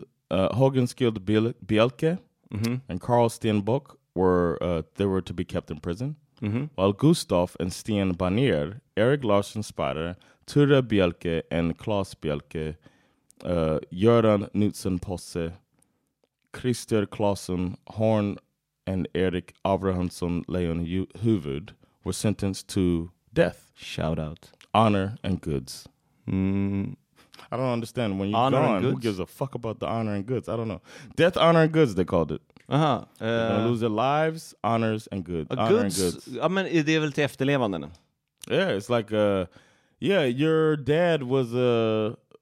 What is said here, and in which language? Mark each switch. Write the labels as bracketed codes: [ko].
[en] Hågenskild Bjelke and Carl Stenbock were to be kept in prison, while Gustav and Sten Banier, Erik Larsson Spider, Ture Bjelke, and Claes Bjelke, Göran Knutsson Posse, Christer Claesson Horn, and Erik Avrahamsson Leon Huvud were sentenced to death. Shout out. Honor and goods. Mm. I don't understand. When you're gone, who gives a fuck about the honor and goods? I don't know. Death, honor, and goods, they called it. Uh-huh. They're lose their lives, honors, and goods. I mean, [sv] det är väl till efterlevanden? [en] Yeah, it's like, your dad was a...